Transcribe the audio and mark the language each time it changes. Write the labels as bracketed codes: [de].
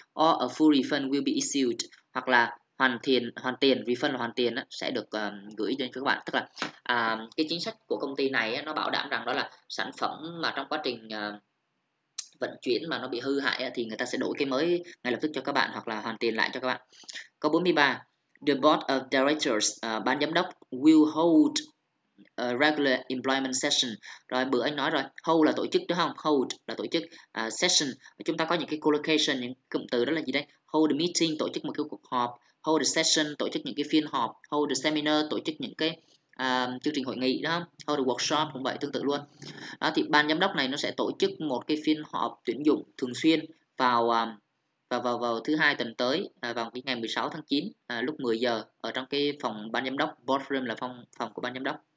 [en] Or a full refund will be issued, [vi] hoặc là hoàn tiền, refund là hoàn tiền, sẽ được gửi cho các bạn. Tức là cái chính sách của công ty này nó bảo đảm rằng đó là sản phẩm mà trong quá trình vận chuyển mà nó bị hư hại thì người ta sẽ đổi cái mới ngay lập tức cho các bạn, hoặc là hoàn tiền lại cho các bạn. Câu 43, [en] the board of directors, [vi] ban giám đốc, [en] will hold a regular employment session. [vi] Rồi bữa anh nói rồi, hold là tổ chức đúng không? Hold là tổ chức, session. Chúng ta có những cái collocation, những cụm từ đó là gì đây? [en] Hold a meeting, [vi] tổ chức một cái cuộc họp. [en] Hold a session, [vi] tổ chức những cái phiên họp. [en] Hold a seminar, [vi] tổ chức những cái chương trình hội nghị đó. [en] Hold a workshop [vi] cũng vậy, tương tự luôn. Đó, thì ban giám đốc này nó sẽ tổ chức một cái phiên họp tuyển dụng thường xuyên vào thứ hai tuần tới, vào cái ngày 16 tháng 9 lúc 10 giờ ở trong cái phòng ban giám đốc, boardroom là phòng của ban giám đốc.